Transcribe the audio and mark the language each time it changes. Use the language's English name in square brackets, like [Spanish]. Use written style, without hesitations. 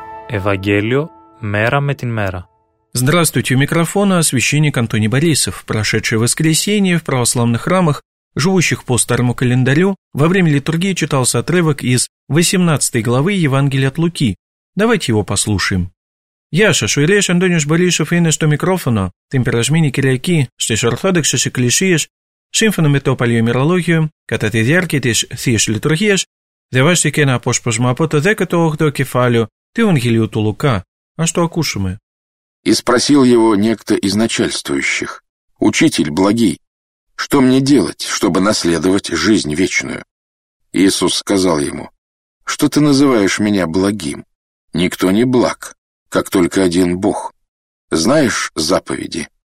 [Russian] Евангелие мера με την мера. Здравствуйте, у микрофона священник Антоний Борисов. Прошедшее воскресенье в православных храмах, живущих по старому календарю, во время литургии читался отрывок из 18 главы Евангелия от Луки. Давайте его послушаем. [Greek] Γεια σα, ο Ηλίας Αντώνιος Μπορίσοφ είναι στο μικρόφωνο την περασμένη Κυριακή στις Ορθόδοξες Εκκλησίες, σύμφωνα με το παλιό ημερολόγιο, κατά τη διάρκεια της Θείας Λειτουργίας, διαβάστηκε ένα απόσπασμα από το 18ο κεφάλαιο του Ευαγγελίου του Λουκά. Ας το ακούσουμε. [Russian] И спросил его некто из начальствующих: «Учитель благий, что мне делать, чтобы наследовать жизнь вечную?» Иисус сказал ему: «Что ты называешь меня благим? Никто не благ, как только один Бог. Знаешь заповеди?